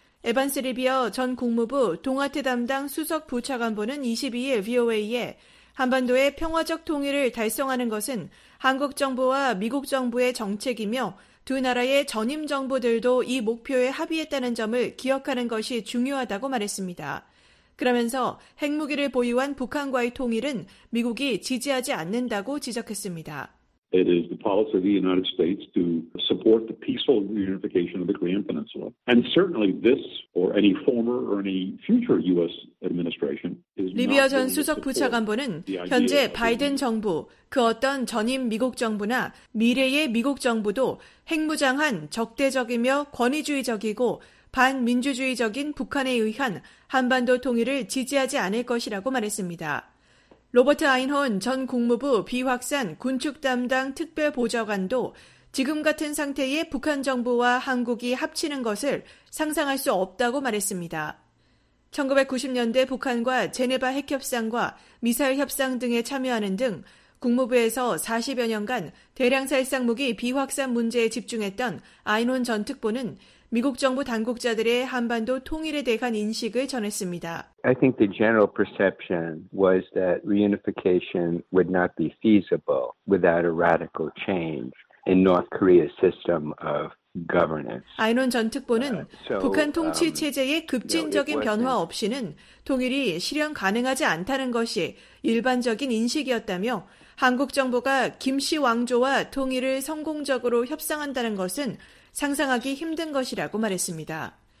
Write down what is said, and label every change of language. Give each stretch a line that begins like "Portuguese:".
Korean: 에반스 리비어 전 국무부 동아태 담당 수석 부차관보는 22일 VOA에 한반도의 평화적 통일을 달성하는 것은 한국 정부와 미국 정부의 정책이며 두 나라의 전임 정부들도 이 목표에 합의했다는 점을 기억하는 것이 중요하다고 말했습니다. 그러면서 핵무기를 보유한 북한과의 통일은 미국이 지지하지 않는다고 지적했습니다.
English: It is the policy of the United States to support the peaceful reunification of the Korean Peninsula. And certainly this or any former or any future U.S. administration is not.
Korean: 리비아 전 수석 부차관보는 현재 바이든 정부, 그 어떤 전임 미국 정부나 미래의 미국 정부도 핵무장한 적대적이며 권위주의적이고 반민주주의적인 북한에 의한 한반도 통일을 지지하지 않을 것이라고 말했습니다. 로버트 아인헌 전 국무부 비확산 군축 담당 특별 보좌관도 지금 같은 상태에 북한 정부와 한국이 합치는 것을 상상할 수 없다고 말했습니다. 1990년대 북한과 제네바 핵협상과 미사일 협상 등에 참여하는 등 국무부에서 40여 년간 대량살상 무기 비확산 문제에 집중했던 아인헌 전 특보는 미국 정부 당국자들의 한반도 통일에 대한 인식을 전했습니다.
English: I think the general perception was that reunification would not be feasible without a radical change in North Korea's system of governance.
Korean: 아인헌 전 특보는 북한 통치 체제의 급진적인 변화 없이는 통일이 실현 가능하지 않다는 것이 일반적인 인식이었다며 한국 정부가 김씨 왕조와 통일을 성공적으로 협상한다는 것은 상상하기 힘든 것이라고 말했습니다.